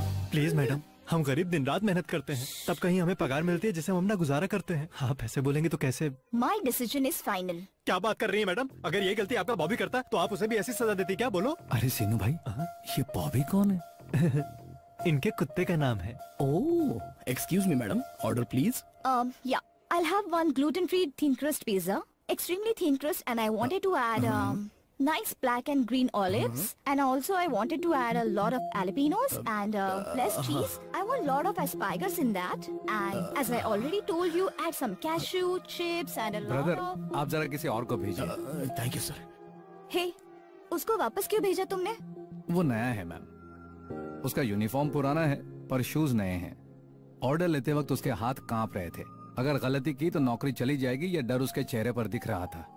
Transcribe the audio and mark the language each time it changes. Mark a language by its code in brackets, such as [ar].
[hi] Please madam, हम गरीब दिन रात मेहनत करते हैं, तब कहीं हमें पगार मिलती है जिसे हम अपना गुजारा करते हैं। आप ऐसे बोलेंगे तो कैसे? [en] My decision is final. [hi] क्या बात कर रही है मैडम? अगर ये गलती आपका बॉबी करता तो आप उसे भी ऐसी सजा देती क्या? बोलो। अरे सीनू भाई, ये बॉबी कौन है? इनके कुत्ते का नाम है। [en] Excuse me madam, order please. Yeah I have one gluten free thin crust pizza, extremely thin crust, and I wanted to add nice black and green olives and also I wanted to add a lot of jalapenos and less cheese. I want a lot of asparagus in that and as I already told you, add some cashew chips and a lot of... [hi] Brother, आप जरा किसी और को भेजिए। [en] Thank you sir. [hi] Hey, उसको वापस क्यों भेजा तुमने? वो नया है मैम, उसका यूनिफॉर्म पुराना है पर शूज नए हैं। ऑर्डर लेते वक्त उसके हाथ कांप रहे थे, अगर गलती की तो नौकरी चली जाएगी, यह डर उसके चेहरे पर दिख रहा था।